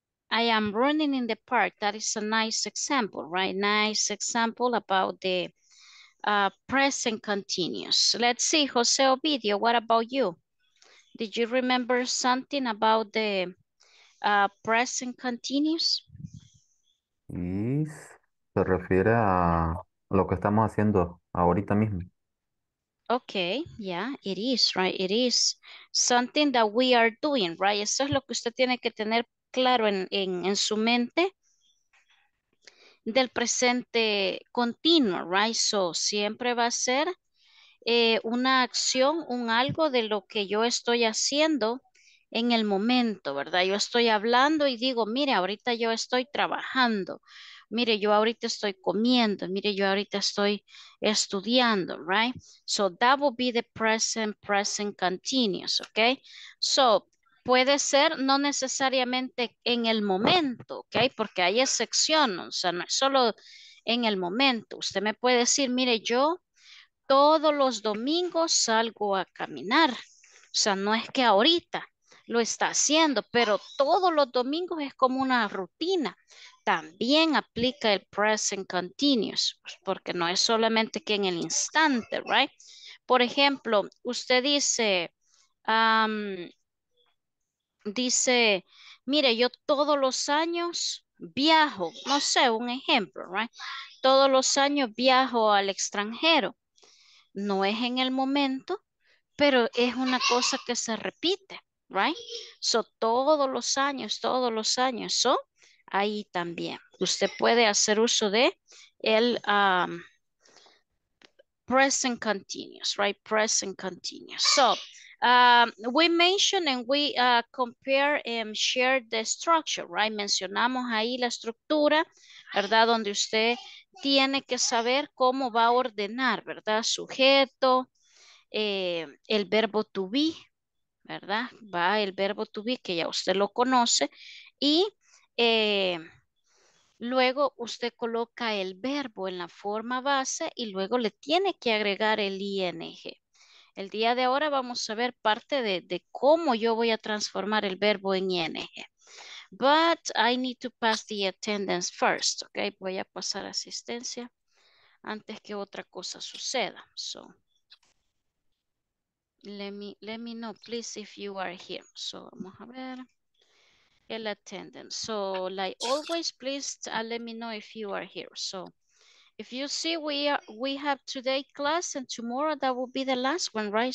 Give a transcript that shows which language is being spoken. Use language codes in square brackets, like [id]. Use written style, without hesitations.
[en] I am running in the park. That is a nice example, right? Nice example about the present continuous. Let's see, Jose Ovidio, what about you? Did you remember something about the present continuous? [es] Is se refiere a lo que estamos haciendo ahorita mismo. [en] Okay, yeah, it is, right? It is something that we are doing, right? [es] Eso es lo que usted tiene que tener claro en su mente del presente continuo, right? So siempre va a ser una acción, un algo de lo que yo estoy haciendo en el momento, ¿verdad? Yo estoy hablando y digo, mire, ahorita yo estoy trabajando, mire, yo ahorita estoy comiendo, mire, yo ahorita estoy estudiando, right? [en] So that will be the present continuous, okay? [es] So puede ser no necesariamente en el momento, okay, porque hay excepción, o sea, no es solo en el momento. Usted me puede decir, mire, yo todos los domingos salgo a caminar, o sea, no es que ahorita lo está haciendo, pero todos los domingos es como una rutina. También aplica el present continuous, porque no es solamente que en el instante, right? Por ejemplo, usted dice, mire, yo todos los años viajo, no sé, un ejemplo, right? Todos los años viajo al extranjero. No es en el momento, pero es una cosa que se repite, right? So, todos los años, so, ahí también. Usted puede hacer uso de el present continuous, right? [en] Present continuous. So, we mention and we compare and share the structure, right? [es] Mencionamos ahí la estructura, ¿verdad? Donde usted tiene que saber cómo va a ordenar, ¿verdad? Sujeto, el verbo to be, ¿verdad? Va el verbo to be, que ya usted lo conoce, y luego usted coloca el verbo en la forma base y luego le tiene que agregar el ing. El día de ahora vamos a ver parte de cómo yo voy a transformar el verbo en ing. [en] But I need to pass the attendance first, ok. [es] Voy a pasar asistencia antes que otra cosa suceda. [en] So, let me know, please, if you are here. [es] So, vamos a ver el attendance. [en] So, like always, please let me know if you are here. So, if you see, we have today class and tomorrow that will be the last one, right?